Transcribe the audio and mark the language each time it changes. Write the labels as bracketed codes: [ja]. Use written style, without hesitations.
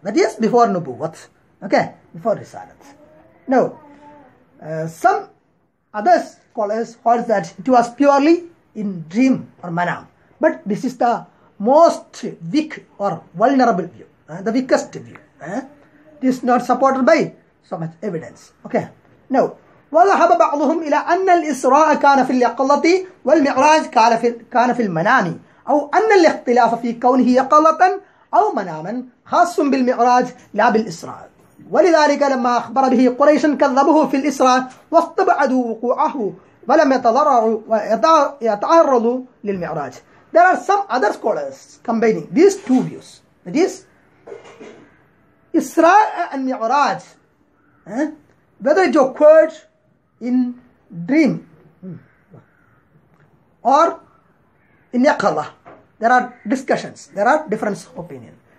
[en] That is before Nubuwat. Okay, before Risalat. Now, some other scholars hold that it was purely in dream or Manam. But this is the most weak or vulnerable view, the weakest view. This is not supported by so much evidence. Okay, now. [ar] وذهب بعضهم إلى أن الإسراء كان في اليقظة والمعراج كان في المنام أو أن الاختلاف في كونه يقظة أو مناما خاص بالمعراج لا بالإسراء ولذلك لما أخبر به قريش كذبه في الإسراء واستبعدوا وقوعه ولم يتضرروا ويتعرضوا للمعراج. [en] There are some other scholars combining these two views. That is, إسراء and معراج. Whether it occurred in dream or in yaqala, there are discussions, there are different opinions.